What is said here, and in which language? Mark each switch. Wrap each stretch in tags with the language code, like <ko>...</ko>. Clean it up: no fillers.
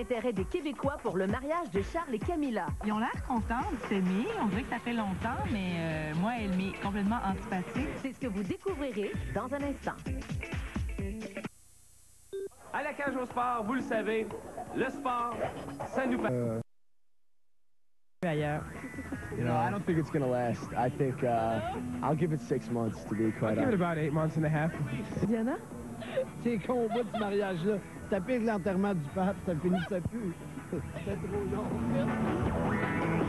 <fr>l'intérêt des Québécois pour le mariage de Charles et Camilla. Ils ont l'air contents de s'aimer. On dirait que ça fait longtemps, mais moi, elle m'est complètement antipathique. C'est ce que vous découvrirez dans un instant. À la cage au sport, vous le savez, le sport, ça nous passe.</fr> <en>You know, I don't think it's going to last. I think I'll give it 6 months to be quite honest. I'll give it about 8 months and a half. Diana?</en> <fr>C'est con, au bout de ce mariage-là. Ça pique l'enterrement du pape, ça finit, ça pue. C'est trop long.</fr>